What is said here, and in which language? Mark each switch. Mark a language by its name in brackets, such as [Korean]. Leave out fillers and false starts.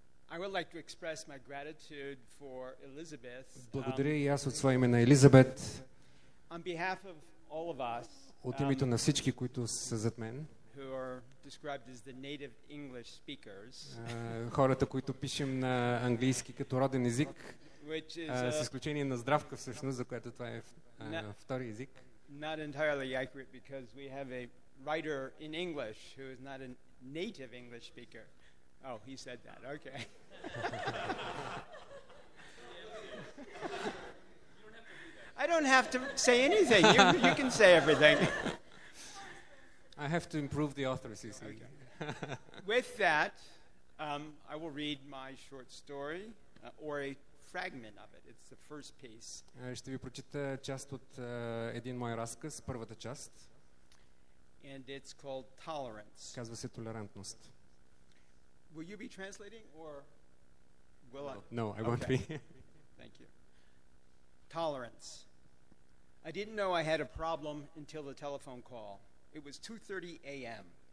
[English] I would like to express my gratitude for Elizabeth. [Bulgarian] Благодаря и аз от своя име на Елизабет. [English] On behalf of all of us. [Bulgarian] От името на всички, които са зад мен. [English] Who are described as the native English speakers. [Bulgarian] Хората, които пишем на английски като роден език. [English] Which is [Bulgarian] с изключение на Здравка всъщност, за което това е втори език. [English] Not entirely accurate because we have a writer in English who is not a native English speaker. Oh, he said that. Okay. You don't have to do that. I don't have to say anything. You can say everything. I have to improve the authors, you see. Okay. With that, I will read my short story, or a fragment of it. It's the first piece. [Bulgarian] Ще ви прочита част от един мой разказ, първата част. [English] And it's called Tolerance. [Bulgarian] Казва се толерантност. [English] Will you be translating, or will I? No, I won't be. Thank you. Tolerance. I didn't know I had a problem until the telephone call. It was 2:30 a.m.